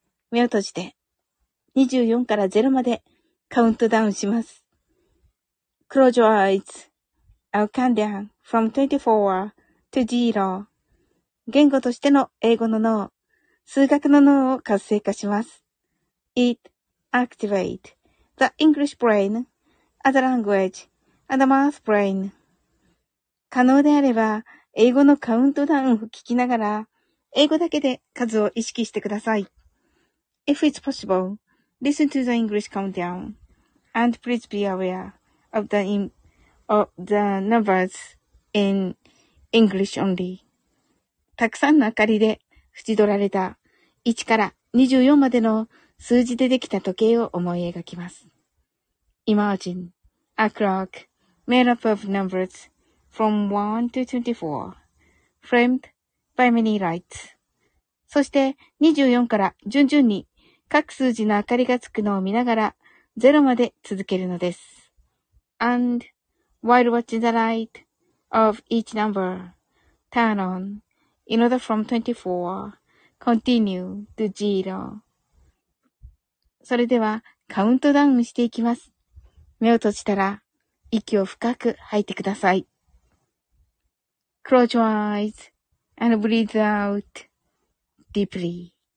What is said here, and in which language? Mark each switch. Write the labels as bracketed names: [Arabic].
[Japanese] 目を閉じて、24から0までカウントダウンします。 [English] Close your eyes. I'll count down. From 24 to 0. [Japanese] 言語としての英語の脳、数学の脳を活性化します。 [English] It activate the English brain as a language and a math brain. [Japanese] 可能であれば、英語のカウントダウンを聞きながら、英語だけで数を意識してください。 [English] If it's possible, listen to the English countdown and please be aware of the numbers. In English only. [Japanese] たくさんの明かりで縁取られた1から24までの数字でできた時計を思い描きます。 [English] Imagine a clock made up of numbers from 1 to 24, framed by many lights. [Japanese] そして24から順々に各数字の明かりがつくのを見ながら0まで続けるのです。 [English] And while watching the light,of each number, turn on, in order from 24, continue to zero. [Japanese] それではカウントダウンしていきます。目を閉じたら息を深く吐いてください。 [English] Close your eyes and breathe out deeply.